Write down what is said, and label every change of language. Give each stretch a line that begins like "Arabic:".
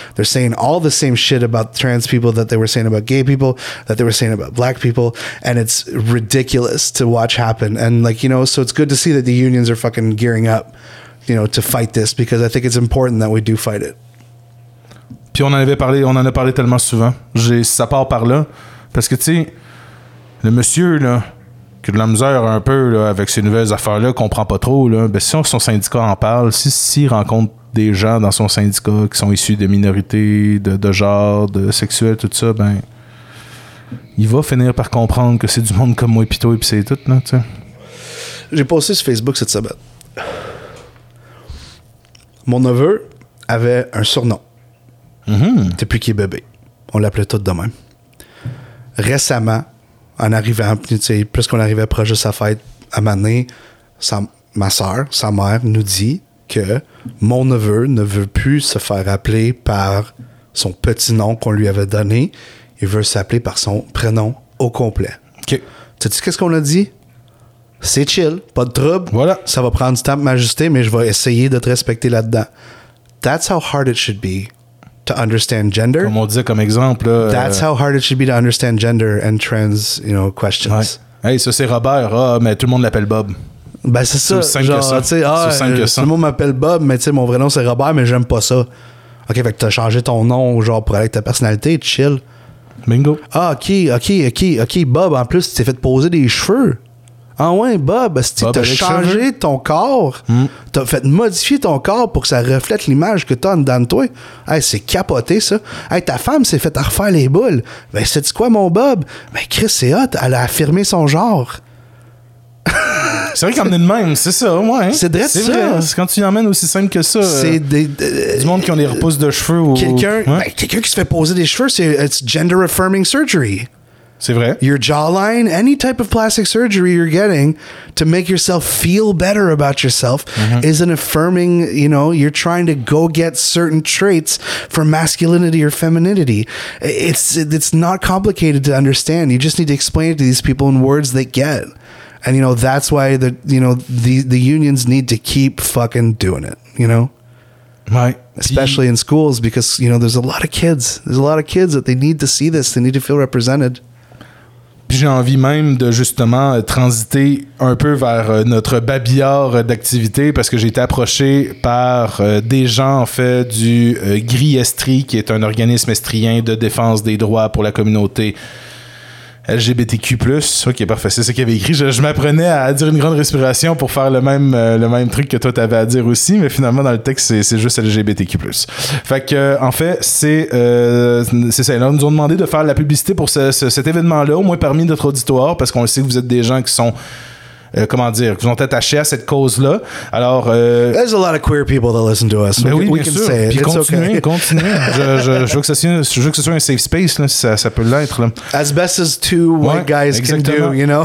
English: They're saying all the same shit about trans people that they were saying about gay people, that they were saying about black people, and it's ridiculous to watch happen. And like, you know, so it's good to see that the unions are fucking gearing up, you know, to fight this, because I think it's important that we do fight it.
French: Puis on en a parlé tellement souvent. J'ai ça part par là. Parce que, tu sais, le monsieur, là, qui a de la misère un peu, là, avec ces nouvelles affaires-là, comprend pas trop, là, ben, si son syndicat en parle, s'il rencontre des gens dans son syndicat qui sont issus de minorités, de genre, de sexuel, tout ça, ben, il va finir par comprendre que c'est du monde comme moi, pito, et puis c'est tout, là, tu sais. J'ai posté sur Facebook cette semaine. Mon neveu avait un surnom. Mm-hmm. Depuis qu'il est bébé. On l'appelait tout de même. Récemment, en arrivant, tu sais, puisqu'on arrivait proche de sa fête, à un moment donné, sa mère nous dit que mon neveu ne veut plus se faire appeler par son petit nom qu'on lui avait donné. Il veut s'appeler par son prénom au complet. Okay. Tu sais-tu qu'est-ce qu'on a dit? C'est chill, pas de trouble. Voilà. Ça va prendre du temps pour m'ajuster, mais je vais essayer de te respecter là-dedans.
English: That's how hard it should be to understand gender.
French: Comme on disait comme exemple.
English: That's how hard it should be to understand gender and trans, you know, questions.
French: Ouais. Hey, ça c'est Robert, oh, mais tout le monde l'appelle Bob. Ben c'est ça. Tout le monde m'appelle Bob, mais tu sais, mon vrai nom c'est Robert, mais j'aime pas ça. Ok, fait que t'as changé ton nom, genre, pour aller avec ta personnalité, chill. Bingo. Ah, ok, Bob, en plus, tu t'es fait poser des cheveux. Ah ouais, Bob, si tu as changé ton corps, tu as fait modifier ton corps pour que ça reflète l'image que tu as en dedans de toi. Hey, c'est capoté, ça. Hey, ta femme s'est fait refaire les boules. Ben, sais-tu quoi, mon Bob? Ben, Chris, c'est hot, elle a affirmé son genre. C'est vrai qu'on est de même, c'est ça, ouais. Hein? C'est vrai, c'est ça. C'est quand tu y emmènes aussi simple que ça. C'est du monde qui ont des repousses de cheveux. Quelqu'un qui se fait poser des cheveux,
English: it's gender affirming surgery.
French: C'est vrai.
English: Your jawline, any type of plastic surgery you're getting to make yourself feel better about yourself, mm-hmm. is an affirming, you know, you're trying to go get certain traits for masculinity or femininity. It's not complicated to understand. You just need to explain it to these people in words they get. And, you know, that's why the unions need to keep fucking doing it, you know? Right. Especially in schools, because, you know, there's a lot of kids that they need to see this. They need to feel represented.
French: Puis j'ai envie même de justement transiter un peu vers notre babillard d'activité, parce que j'ai été approché par des gens, en fait, du GRI Estrie, qui est un organisme estrien de défense des droits pour la communauté LGBTQ+. OK, parfait, c'est ce qu'il avait écrit. Je m'apprenais à dire une grande respiration pour faire le même truc que toi, t'avais à dire aussi, mais finalement, dans le texte, c'est juste LGBTQ+. Fait que, en fait, c'est ça. Là, nous ont demandé de faire la publicité pour cet événement-là, au moins parmi notre auditoire, parce qu'on sait que vous êtes des gens qui sont... comment dire, qui sont attachés à cette cause-là. Alors,
English: there's a lot of queer people that listen to us.
French: Ben oui,
English: we can
French: sûr.
English: Say it.
French: Puis continuez. Je veux que ce soit un safe space, là, si ça peut l'être. Là.
English: As best as two white guys can do, you know?